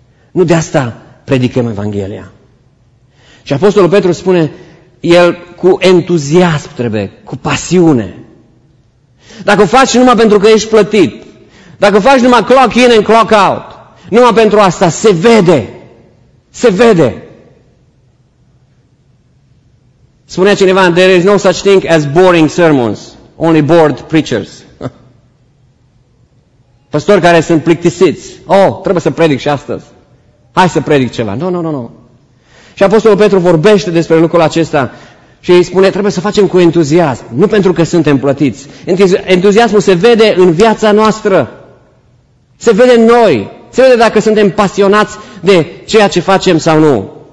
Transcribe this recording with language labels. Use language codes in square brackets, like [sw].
[ro] Nu de asta predicăm Evanghelia. Și Apostolul Petru spune, el cu entuziasm trebuie, cu pasiune. Dacă o faci numai pentru că ești plătit, dacă o faci numai [en] clock in and clock out, [ro] numai pentru asta, se vede. Se vede. Spunea cineva, [en] there is no such thing as boring sermons, only bored preachers. [ro] Păstori care sunt plictisiți. Oh, trebuie să predic și astăzi. Hai să predic ceva. Nu. Și Apostolul Petru vorbește despre lucrul acesta. Și îi spune, trebuie să facem cu entuziasm, nu pentru că suntem plătiți. Entuziasmul se vede în viața noastră, se vede în noi, se vede dacă suntem pasionați de ceea ce facem sau nu.